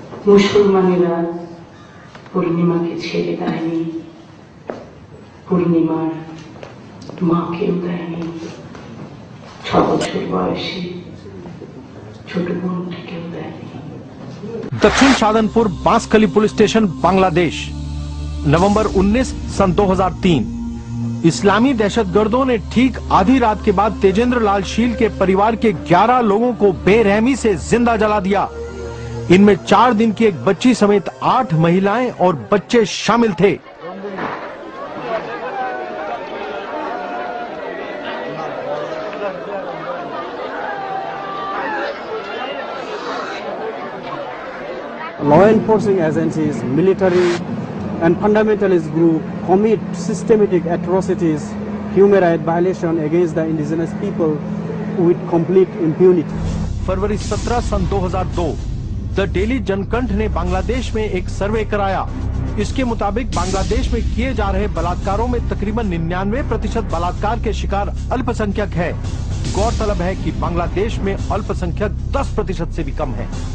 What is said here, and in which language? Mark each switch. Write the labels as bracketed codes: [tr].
[bn] মুসলমানেরা পূর্ণিমাকে ছেড়ে দেয়নি, পূর্ণিমার মাকেও দেয়নি, 6 বছর বয়সে ছোট বোনটিকেও দেয়নি। দক্ষিণ সাধনপুর বাঁশখালী পুলিশ স্টেশন বাংলাদেশ, [hi] नवंबर 19 सन 2003, इस्लामी दहशतगर्दों ने ठीक आधी रात के बाद तेजेंद्र लाल शील के परिवार के 11 लोगों को बेरहमी से जिंदा जला दिया। इनमें 4 दिन की एक बच्ची समेत 8 महिलाएं और बच्चे शामिल थे। [en] Law enforcing agencies, military and fundamentalist groups commit systematic atrocities, human rights violations against the indigenous people with complete impunity. [hi] February 17 sun 2002, the daily Janakantha ने बांग्लादेश में एक सर्वे कराया। इसके मुताबिक बांग्लादेश में किए जा रहे बलात्कारों में तकरीबन 99% बलात्कार के शिकार अल्पसंख्यक है। गौरतलब है कि बांग्लादेश में अल्पसंख्यक 10% से भी कम है।